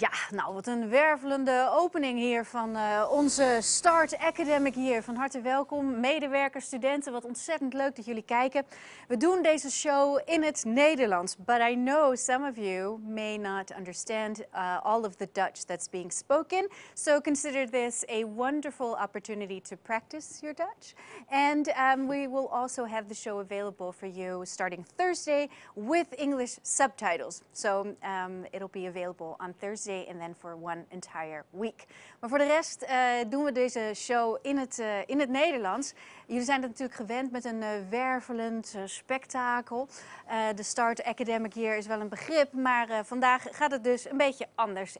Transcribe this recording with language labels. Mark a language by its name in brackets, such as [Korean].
[Dutch] Nou, wat een wervelende opening hier van onze Start Academic Year. Van harte welkom, medewerkers, studenten. Wat ontzettend leuk dat jullie kijken. We doen deze show in het Nederlands. [English] But I know some of you may not understand all of the Dutch that's being spoken. So consider this a wonderful opportunity to practice your Dutch. And we will also have the show available for you starting Thursday with English subtitles. So it'll be available on Thursday. [Dutch] En dan voor [English] one entire week. [Dutch] Maar voor de rest doen we deze show in het Nederlands. Jullie zijn het natuurlijk gewend met een wervelend spektakel. De Start Academic Year is wel een begrip, maar vandaag gaat het dus een beetje anders.